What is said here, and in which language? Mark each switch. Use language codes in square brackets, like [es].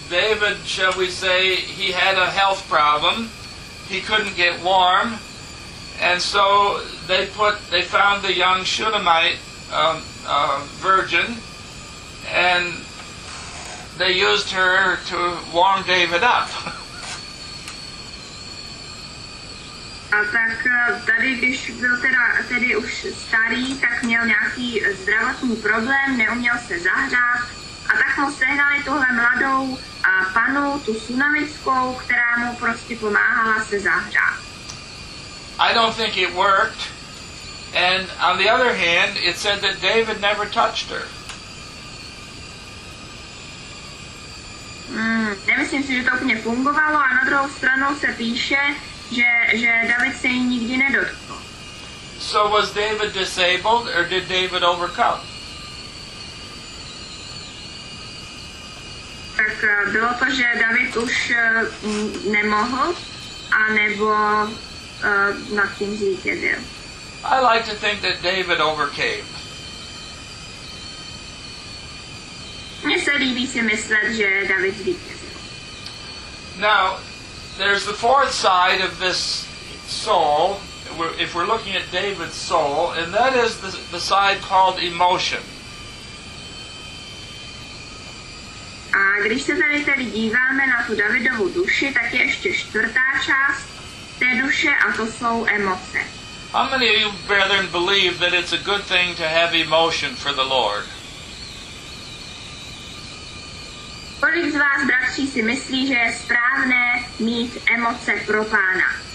[en] David, shall we say, he had a health problem. He couldn't get warm. And so they found the young Shunammite virgin, and they used her to warm David up. [cs] A tak tady, když byl tedy už starý, tak měl nějaký zdravotní problém, neuměl se zahřát. A tak mu sehnali tuhle mladou panu, tu sunamickou, která mu prostě pomáhala se zahřát. [en] I don't think it worked. And on the other hand, it said that David never touched her. [cs] Nemyslím si, že to úplně fungovalo, a na druhou stranu se píše, že David se jí nikdy nedotkl. [en] So was David disabled, or did David overcome? [cs] Tak bylo to, že David už nemohl, anebo nad tím zvítězil. [en] I like to think that David overcame. [cs] Mně se líbí si myslet, že David zvítězil. [en] Now, there's the fourth side of this soul, if we're looking at David's soul, and that is the side called emotion. [cs] A když se tady díváme na tu Davidovu duši, tak je ještě čtvrtá část té duše, a to jsou emoce. [en] How many of you brethren believe that it's a good thing to have emotion for the Lord? [cs] Kolik z vás, bratři, si myslí, že je správné mít emoce pro Pána?